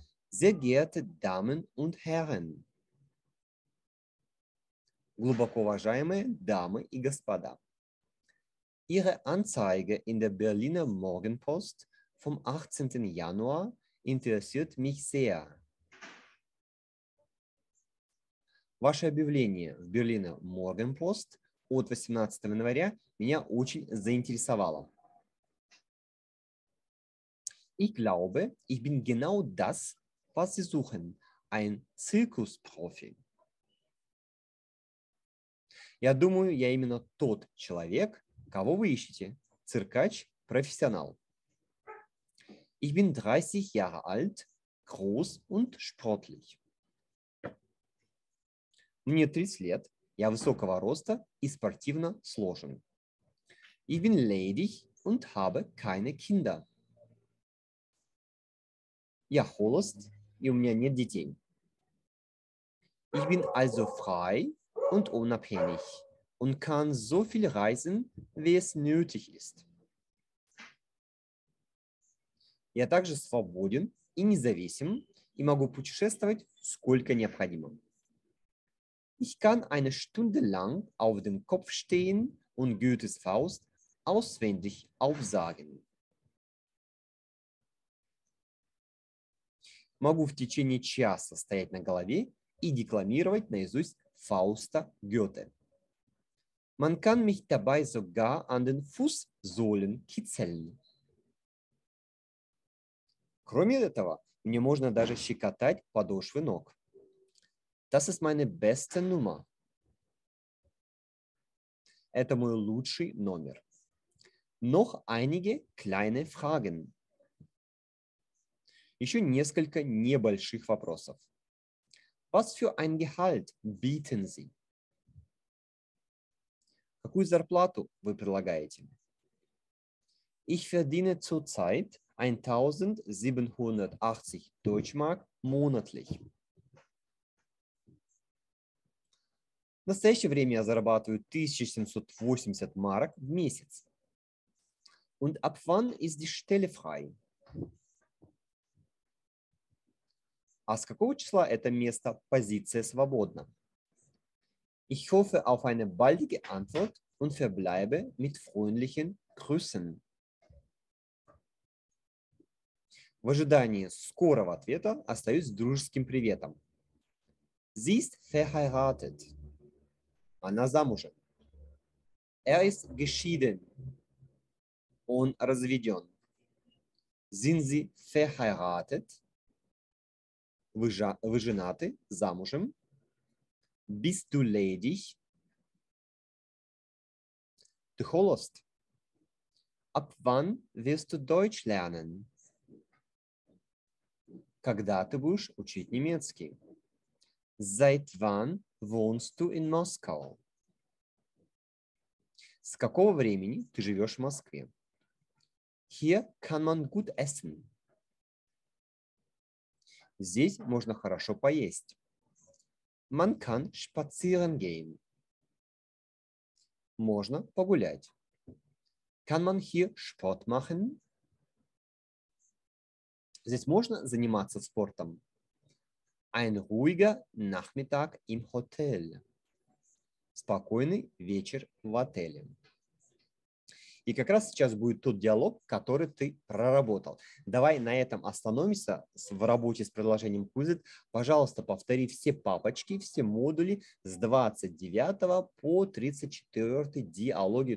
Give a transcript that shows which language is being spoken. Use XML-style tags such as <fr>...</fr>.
<de>Sehr geehrte Damen und Herren.</de> <ru>Глубоко уважаемые дамы и господа.</ru> <de>Ihre Anzeige in der Berliner Morgenpost vom 18. Januar interessiert mich sehr.</de> <ru>Ваше объявление в Берлинер Morgenpost от 18 января меня очень заинтересовало.</ru> <de>Ich glaube, ich bin genau das, was Sie suchen, ein Zirkusprofi.</de> <ru>Я думаю, я именно тот человек, кого вы ищете, циркач-профессионал.</ru> <de>Ich bin 30 Jahre alt, groß und sportlich.</de> <ru>Мне 30 лет, я высокого роста и спортивно сложен.</ru> <de>Ich bin ledig und habe keine Kinder.</de> <ru>Я холост и у меня нет детей.</ru> <de>Ich bin also frei und unabhängig und kann so viel reisen, wie es nötig ist.</de> <ru>Я также свободен и независим и могу путешествовать сколько необходимо.</ru> <de>Ich kann eine Stunde lang auf dem Kopf stehen und Goethes Faust auswendig aufsagen.</de> <ru>Могу в течение часа стоять на голове и декламировать наизусть Фауста Гёте.</ru> <de>Man kann mich dabei sogar an den Fußsohlen kitzeln.</de> <ru>Кроме этого, мне можно даже щекотать подошвы ног.</ru> <de>Das ist meine beste Nummer.</de> <ru>Это мой лучший номер.</ru> <de>Noch einige kleine Fragen.</de> <ru>Еще несколько небольших вопросов.</ru> <de>Was für ein Gehalt bieten Sie?</de> <ru>Какую зарплату вы предлагаете?</ru> <de>Ich verdiene zurzeit 1780 Deutschmark monatlich.</de> <ru>В настоящее время я зарабатываю 1780 марок в месяц.</ru> <de>Und ab wann ist die Stelle frei?</de> <ru>А с какого числа это место, позиция свободна?</ru> <de>Ich hoffe auf eine baldige Antwort und verbleibe mit freundlichen Grüßen.</de> <ru>В ожидании скорого ответа остаюсь с дружеским приветом.</ru> <de>Sie ist verheiratet.</de> <ru>Она замужем.</ru> <de>Ist geschieden.</de> <ru>Он разведен.</ru> <de>Sind Sie verheiratet?</de> <ru>Вы женаты? Замужем?</ru> <de>Bist du ledig?</de> <ru>Ты холост?</ru> <de>Ab wann wirst du Deutsch lernen?</de> <ru>Когда ты будешь учить немецкий?</ru> <de>Seit wann wohnst du in Moskau?</de> <ru>С какого времени ты живешь в Москве?</ru> <de>Hier kann man gut essen.</de> <ru>Здесь можно хорошо поесть.</ru> <de>Man kann spazieren gehen.</de> <ru>Можно погулять.</ru> <de>Kann man hier Sport machen?</de> <ru>Здесь можно заниматься спортом.</ru> <de>Ein ruhiger Nachmittag im Hotel.</de> <ru>Спокойный вечер в отеле. И как раз сейчас будет тот диалог, который ты проработал. Давай на этом остановимся в работе с предложением Quizlet. Пожалуйста, повтори все папочки, все модули с 29 по 34 диалоги.</ru>